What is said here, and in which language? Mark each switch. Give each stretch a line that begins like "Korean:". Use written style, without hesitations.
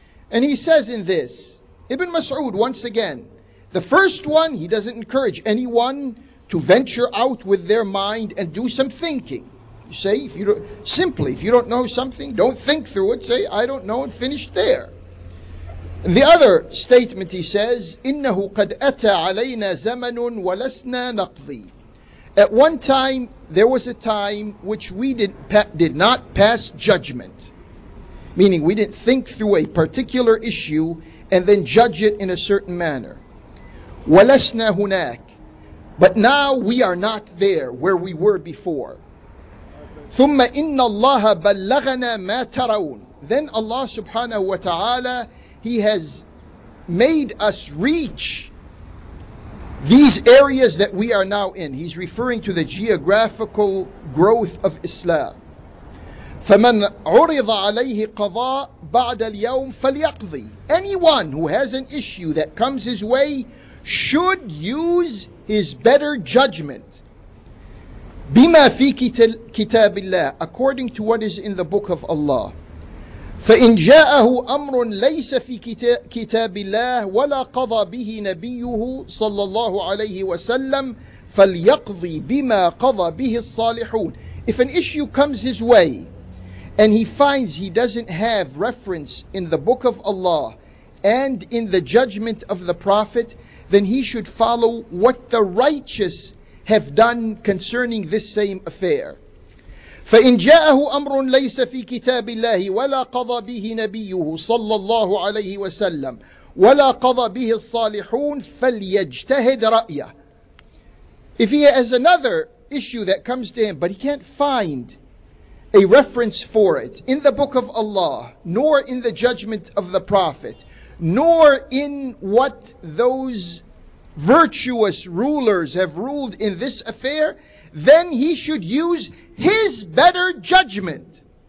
English: And he says in this, Ibn Mas'ud, once again, the first one, he doesn't encourage anyone to venture out with their mind and do some thinking. You say, if you don't know something, don't think through it. Say, I don't know, and finish there. And the other statement he says,
Arabic: إِنَّهُ قَدْ أَتَى عَلَيْنَا زَمَنٌ وَلَسْنَا نَقْضِي.
English: At one time, there was a time which we did not pass judgment. Meaning we didn't think through a particular issue and then judge it in a certain manner.
Arabic: وَلَسْنَا هُنَاكْ.
English: But now we are not there where we were before.
Arabic: ثُمَّ إِنَّ اللَّهَ بَلَّغَنَا مَا تَرَوْنَ.
English: Then Allah subhanahu wa ta'ala, He has made us reach these areas that we are now in. He's referring to the geographical growth of Islam.
Arabic: فَمَنْ عُرِضَ عَلَيْهِ قَضَى بَعْدَ الْيَوْمِ فَلْيَقْضِي.
English: Anyone who has an issue that comes his way should use his better judgment.
Arabic: بِمَا فِي كِتَابِ اللَّهِ.
English: According to what is in the book of Allah.
Arabic: فإن جاءه أمر ليس في كتاب الله ولا قضى به نبيه صلى الله عليه وسلم فليقضي بما قضى به الصالحون.
English: If an issue comes his way and he finds he doesn't have reference in the book of Allah and in the judgment of the Prophet, then he should follow what the righteous have done concerning this same affair.
Arabic: فإن جاءه أمر ليس في كتاب الله ولا قضى به نبيه صلى الله عليه وسلم ولا قضى به الصالحون فليجتهد رأيه.
English: If he has another issue that comes to him, but he can't find a reference for it in the book of Allah, nor in the judgment of the Prophet, nor in what those virtuous rulers have ruled in this affair, then he should use his better judgment.